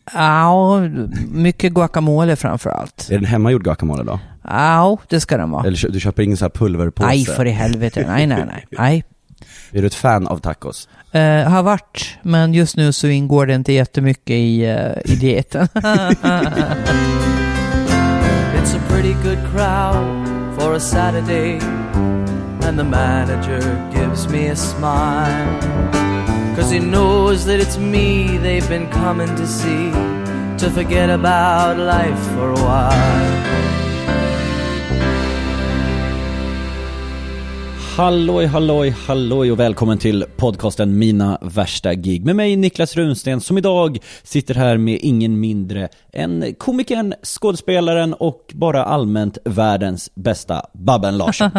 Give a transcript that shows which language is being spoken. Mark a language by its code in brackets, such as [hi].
[sv] Ja, mycket guacamole framförallt. Är den hemmagjord guacamole då? Ja, det ska den vara. Eller du köper ingen sån här pulverpåse? Nej, för i helvete. Nej. Är du ett fan av tacos? Har varit, men just nu så ingår det inte jättemycket i dieten. [en] It's a pretty good crowd for a Saturday, and the manager gives me a smile, 'cause he knows that it's me they've been coming to see, to forget about life for a while. [sv] Halloj, halloj, halloj och välkommen till podcasten Mina Värsta Gig med mig Niklas Runsten, som idag sitter här med ingen mindre än komikern, skådespelaren och bara allmänt världens bästa Babben Larsson.